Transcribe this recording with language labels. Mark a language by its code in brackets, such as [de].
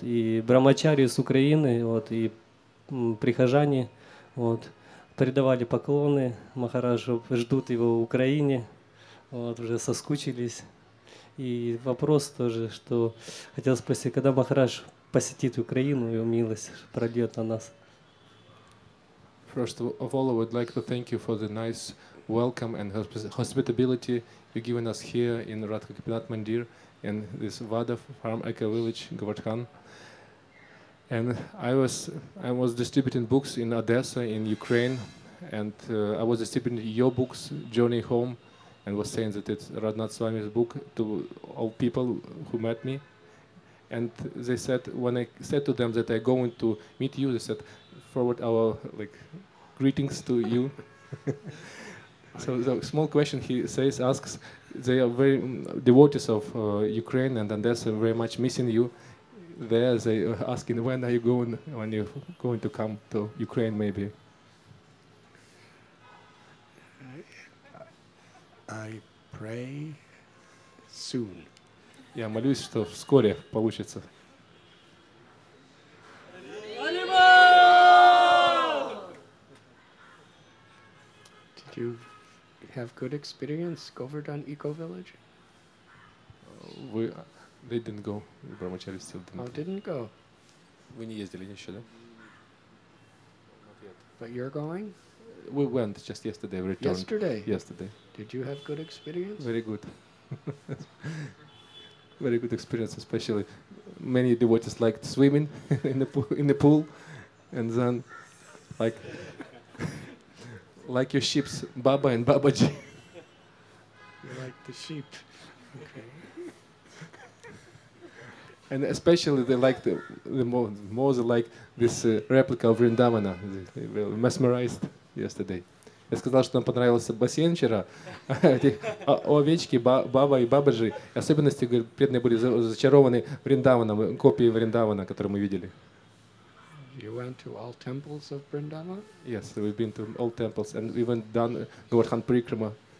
[ru] И брамачарию с Украины, вот, и прихожане. Вот. Передавали поклоны Махараджу, ждут его в Украине, вот, уже соскучились. И вопрос тоже, что хотел спросить, когда Махарадж посетит Украину, его милость пройдет на нас. [en] First of all, I would like to thank you for the nice welcome and hospitality you've given us here in Radha Gopinath Mandir, in this Vada Farm Eco Village, Govardhan. And I was distributing books in Odessa in Ukraine, and I was distributing your books Journey Home, and was saying that it's Radhanath Swami's book to all people who met me, and they said when I said to them that I'm going to meet you, they said forward our like greetings to you. So the small question he says asks, they are very devotees of Ukraine and Odessa, very much missing you. There they are asking when you're going to come to Ukraine maybe. I pray soon. [ru] Я молюсь, что вскоре получится. [en] Did you have good experience Govardhan Eco Village? They didn't go. Brahmachari still didn't. Oh, didn't go. [ru] Вы не ездили еще, да? [en] But you're going? We went just yesterday. Returned. Yesterday. Yesterday. Did you have good experience? Very good. very good experience, especially many devotees liked swimming in the pool, and then like like your sheep, Baba and Babaji. You like the sheep. Okay. And especially they like the more they like this replica of Vrindavana. They were mesmerized yesterday. [ru] Я сказал, что нам понравился бассейн вчера. Овечки, Баба и Бабаджи. Особенности, говорит, преданные были зачарованы Вриндаваном, копией Вриндавана, которую мы видели. [en] You went to all temples of Vrindavan? Yes, we've been to all temples, and we went down Govardhan Parikrama.